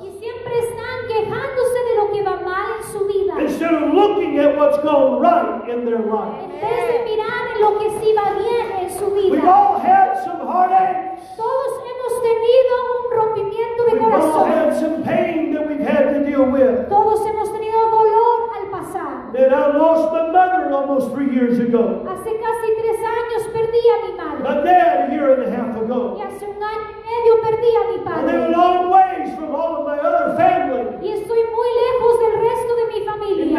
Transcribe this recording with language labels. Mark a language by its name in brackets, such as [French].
[Spanish] Y siempre están quejándose de lo que va mal en su vida. [English] Instead of looking at what's going right in their life. [Spanish] En vez de mirar lo que sí va bien en su vida. [English] We've all had some heartaches. [Spanish] Todos hemos tenido un rompimiento de corazón. [English] We've all had some pain that we've had to deal with. [Spanish] Todos hemos tenido dolor al pasar. [English] Then I lost my mother almost 3 years ago. [Spanish] Hace casi 3 años perdí a mi madre. [English] My dad a year and a half ago. [Spanish] Y hace un año y medio perdí a mi padre. [English] And they're long ways from all of my other family. [Spanish] Y estoy muy lejos del resto de mi familia.